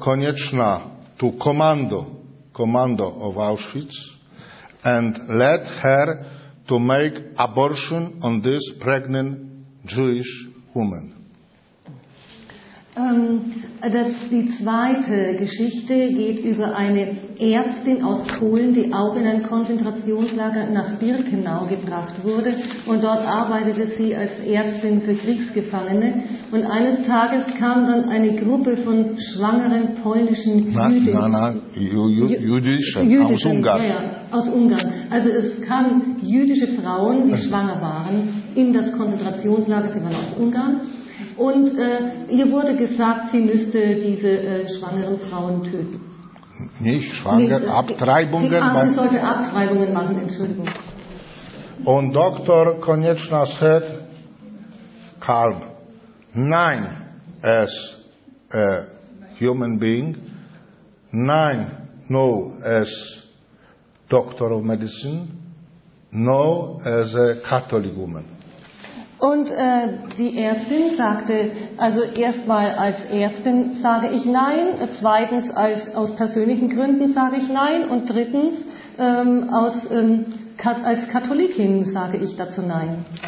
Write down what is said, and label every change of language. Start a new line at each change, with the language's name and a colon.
English: Konieczna to commando of Auschwitz and led her to make abortion on this pregnant Jewish woman.
German: Die zweite Geschichte geht über eine Ärztin aus Polen, die auch in ein Konzentrationslager nach Birkenau gebracht wurde. Und dort arbeitete sie als Ärztin für Kriegsgefangene. Und eines Tages kam dann eine Gruppe von schwangeren polnischen Jüdischen aus Ungarn. Also es kamen jüdische Frauen, die schwanger waren, in das Konzentrationslager. Sie waren aus Ungarn. Und ihr wurde gesagt, sie müsste diese schwangeren Frauen töten. Nicht schwanger, nee, Abtreibungen. Sie sollte Abtreibungen machen, Entschuldigung.
English: Und Doktor Konieczna said, calm. Nein, as a human being. Nein, no, as doctor of medicine. No, as a Catholic woman.
German: Und die Ärztin sagte, also erstmal als Ärztin sage ich nein, zweitens als, aus persönlichen Gründen sage ich nein und drittens als Katholikin sage ich dazu nein.